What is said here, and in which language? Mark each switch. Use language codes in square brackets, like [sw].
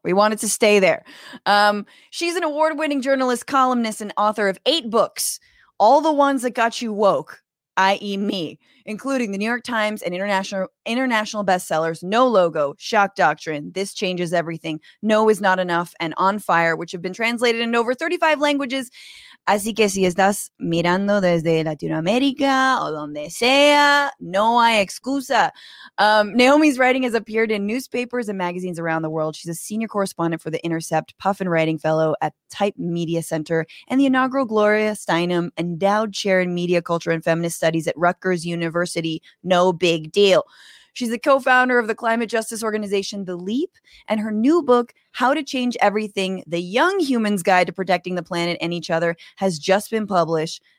[en] We want it to stay there. She's an award-winning journalist, columnist, and author of 8 books, all the ones that got you woke, i.e. me, including the New York Times and international bestsellers No Logo, Shock Doctrine, This Changes Everything, No Is Not Enough, and On Fire, which have been translated into over 35 languages. [es] Así que si estás mirando desde Latinoamérica o donde sea, no hay excusa. [en] Naomi's writing has appeared in newspapers and magazines around the world. She's a senior correspondent for The Intercept, Puffin Writing Fellow at Type Media Center, and the inaugural Gloria Steinem Endowed Chair in Media, Culture, and Feminist Studies at Rutgers University. No big deal. She's the co-founder of the climate justice organization, The Leap, and her new book, How to Change Everything, The Young Human's Guide to Protecting the Planet and Each Other, has just been published.